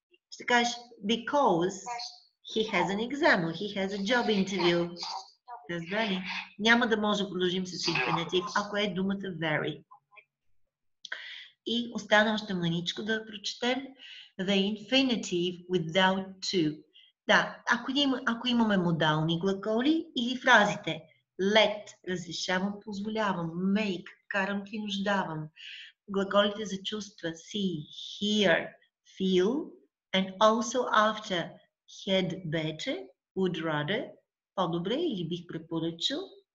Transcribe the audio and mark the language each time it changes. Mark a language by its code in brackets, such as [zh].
[bg] Ще кажеш, [en] because he has an exam, he has a job interview. [bg] Разбрали? Няма да може да продължим с инфинитив, ако е думата very. И остана още мъничко да прочетем. [en] The infinitive without to. [bg] Да, ако имаме модални глаголи или фразите. Let, разрешавам, позволявам. Make, карам, принуждавам. Глаголите за чувства. [en] See, hear, feel. And also after. Had better, would rather. [bg] По-добре или бих препоръчал.